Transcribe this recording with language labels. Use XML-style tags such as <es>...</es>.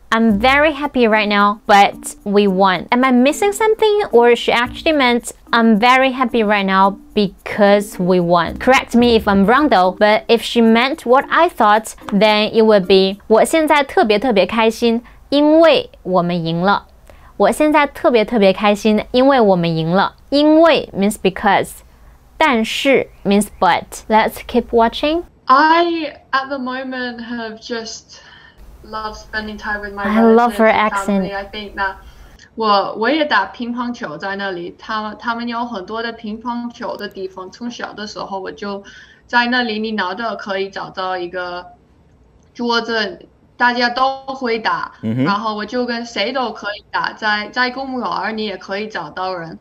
<en>I'm very happy right now, but we won. Am I missing something? Or she actually meant, I'm very happy right now because we won. Correct me if I'm wrong though, but if she meant what I thought, then it would be, 我现在特别特别开心因为我们赢了。</en> <zh>我现在特别特别开心因为我们赢了。</zh> <en>因为 means because, 但是 means but. Let's keep watching. I, at the moment, have just loved spending time with my relatives. I love her accent.</en> <zh>I think that 我也打乒乓球在那里，他们有很多的乒乓球的地方，从小的时候我就在那里，你拿着可以找到一个桌子，大家都会打、 mm-hmm. 然后我就跟谁都可以打，在公园你也可以找到人。</zh>